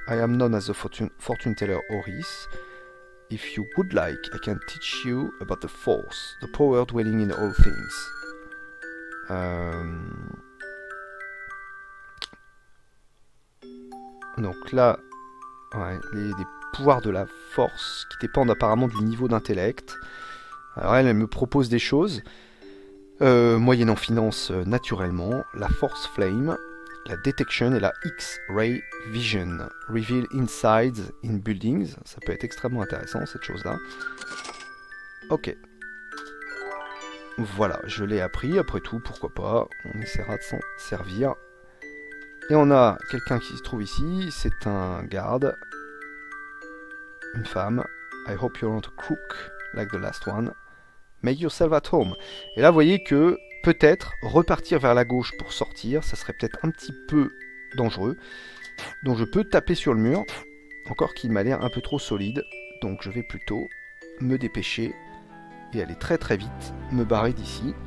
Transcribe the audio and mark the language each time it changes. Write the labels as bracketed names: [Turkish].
[English] I am known as the Fortune Teller Oris. If you would like, I can teach you about the Force, the power dwelling in all things. [French] Donc là, ouais, les pouvoirs de la Force qui dépendent apparemment du niveau d'intellect. Alors elle me propose des choses. Moyennant finance naturellement, la Force Flame, la Detection et la X-Ray Vision. [English] Reveal insides in buildings. [French] Ça peut être extrêmement intéressant, cette chose-là. Ok. Voilà, je l'ai appris. Après tout, pourquoi pas, on essaiera de s'en servir. Et on a quelqu'un qui se trouve ici. C'est un garde. Une femme. [English] I hope you're not a crook like the last one. Make yourself at home. [French] Et là, vous voyez que peut-être repartir vers la gauche pour sortir, ça serait peut-être un petit peu dangereux. Donc je peux taper sur le mur, encore qu'il m'a l'air un peu trop solide. Donc je vais plutôt me dépêcher et aller très très vite, me barrer d'ici.